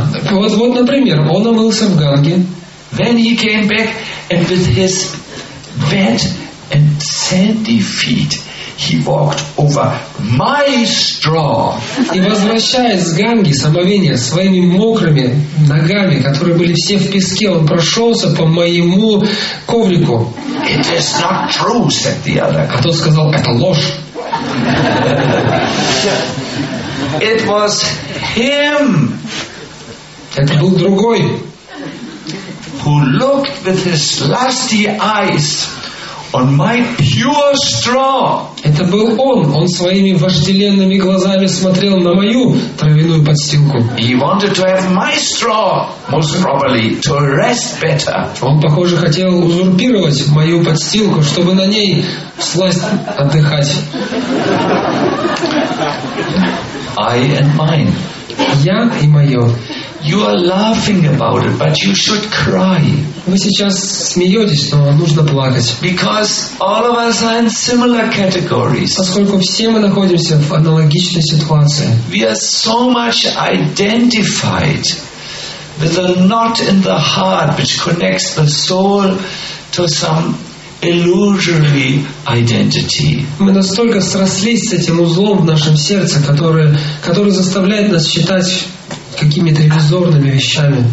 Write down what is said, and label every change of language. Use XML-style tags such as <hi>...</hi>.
<ru>Вот, например, он умылся в Ганге.</ru> <en>Then he came back and with his wet and sandy feet he walked over my straw.</en> <ru>И возвращаясь с Ганги, с омовения, своими мокрыми ногами, которые были все в песке, он прошелся по моему коврику.</ru> <en>It is not true, said the other.</en> <ru>А тот сказал, это ложь.</ru> <en>It was him.</en> <ru>Это был другой.</ru> <en>Who looked with his lusty eyes on my pure straw.</en> <ru>Это был он. Он своими вожделенными глазами смотрел на мою травяную подстилку.</ru> <en>He wanted to have my straw, most probably, to rest better.</en> <ru>Он, похоже, хотел узурпировать мою подстилку, чтобы на ней всласть отдыхать.</ru> <en>I and mine.</en> <ru>Я и мое.</ru> <en>You are laughing about it, but you should cry.</en> <ru>Вы сейчас смеетесь, но нужно плакать.</ru> <en>Because all of us are in similar categories.</en> <ru>Поскольку все мы находимся в аналогичной ситуации.</ru> <en>We are so much identified with a knot in the heart which connects the soul to some illusory identity.</en> <ru>Мы настолько срослись с этим узлом в нашем сердце, который заставляет нас считать какими-то иллюзорными вещами.</ru>